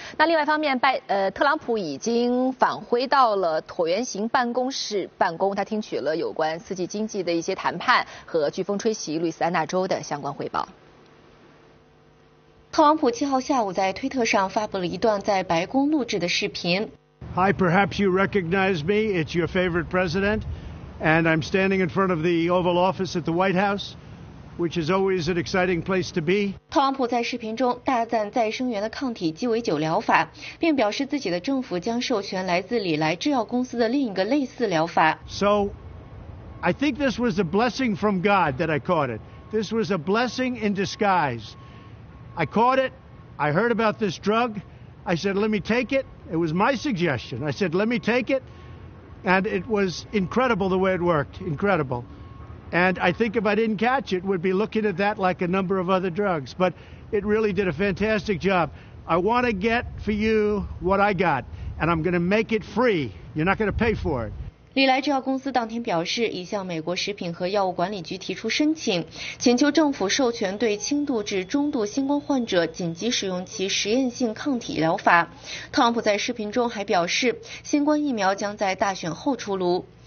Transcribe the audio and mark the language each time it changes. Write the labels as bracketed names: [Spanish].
[Chinese] 那另外一方面，特朗普已经返回到了椭圆形办公室办公，他听取了有关刺激经济的一些谈判和飓风吹袭路易斯安那州的相关汇报。特朗普七号下午在推特上发布了一段在白宫录制的视频。 [English] Hi, perhaps you recognize me. It's your favorite president. And I'm standing in front of the Oval Office at the White House, which is always an exciting place to be. [Chinese] 特朗普在视频中大赞再生源的抗体鸡尾酒疗法，并表示自己的政府将授权来自礼来制药公司的另一个类似疗法。 [English] So, I think this was a blessing from God that I caught it. This was a blessing in disguise. I caught it. I heard about this drug. I said, let me take it. It was my suggestion. I said, let me take it. And it was incredible the way it worked, incredible. And I think if I didn't catch it, we'd be looking at that like a number of other drugs. But it really did a fantastic job. I want to get for you what I got, and I'm going to make it free. You're not going to pay for it. [Chinese] 礼来制药公司当天表示，已向美国食品和药物管理局提出申请，请求政府授权对轻度至中度新冠患者紧急使用其实验性抗体疗法。特朗普在视频中还表示，新冠疫苗将在大选后出炉。